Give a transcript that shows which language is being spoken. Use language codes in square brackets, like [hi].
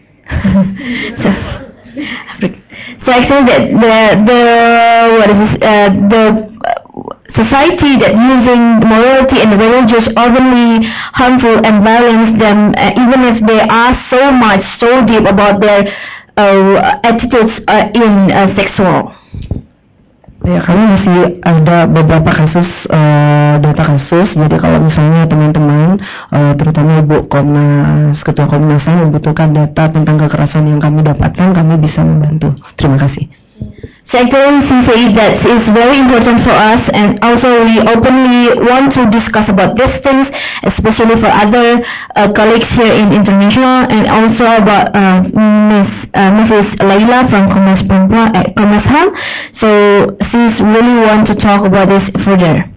[en] So I think that the society that using morality and religious openly harmful and violence them, even if they are so much, so deep about their attitudes in sexual. [id] Ya, kami masih ada beberapa kasus, data kasus. Jadi kalau misalnya teman-teman, terutama Ibu Komnas, Ketua Komnas HAM membutuhkan data tentang kekerasan yang kami dapatkan, kami bisa membantu. Terima kasih. [en] Second, she said that it's very important for us, and also we openly want to discuss about these things, especially for other colleagues here in international, and also about Mrs. Layla from Komnas HAM. So she really want to talk about this further.